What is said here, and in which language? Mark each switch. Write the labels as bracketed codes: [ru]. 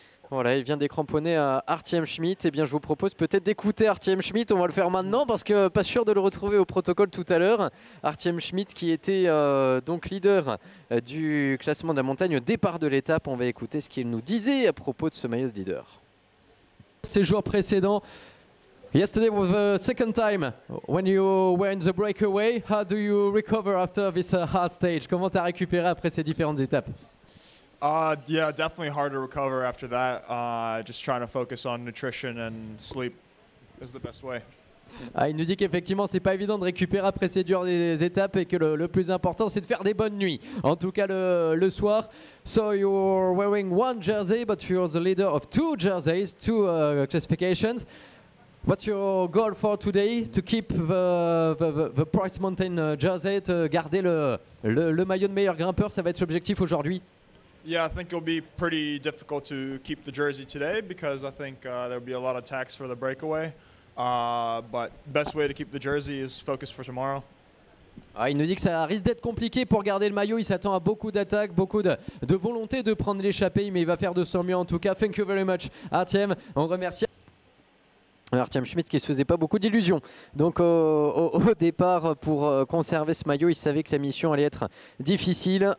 [fr] Voilà, il vient d'écramponner à Artem Schmidt. Eh bien, je vous propose peut-être d'écouter Artem Schmidt. On va le faire maintenant parce que pas sûr de le retrouver au protocole tout à l'heure. Artem Schmidt qui était donc leader du classement de la montagne au départ de l'étape. On va écouter ce qu'il nous disait à propos de ce maillot de leader. Ces jours précédents. [en] Yesterday was the second time when you were in the breakaway. How do you recover after this hard stage? [fr] Comment t'as récupéré après ces différentes étapes? [en] Yeah, definitely hard to recover after that. Just trying to focus on nutrition and sleep is the best way. [fr] Ah, il nous dit qu'effectivement, c'est pas évident de récupérer après ces dures étapes et que le plus important, c'est de faire des bonnes nuits. En tout cas, le soir. [en] So you're wearing one jersey, but you're the leader of two jerseys, two classifications. What's your goal for today? To keep the Price Mountain jersey, to [fr] garder le maillot de meilleur grimpeur, ça va être l'objectif aujourd'hui. [en] Yeah, I think it'll be pretty difficult to keep the jersey today because I think there'll be a lot of tax for the breakaway. But best way to keep the jersey is focus for tomorrow. [fr] Ah, il nous dit que ça risque d'être compliqué pour garder le maillot. Il s'attend à beaucoup d'attaques, beaucoup de volonté de prendre l'échappée, mais il va faire de son mieux en tout cas. [en] Thank you very much, [fr] Artem. On remercie. Artem Schmidt qui ne se faisait pas beaucoup d'illusions. Donc au départ, pour conserver ce maillot, il savait que la mission allait être difficile.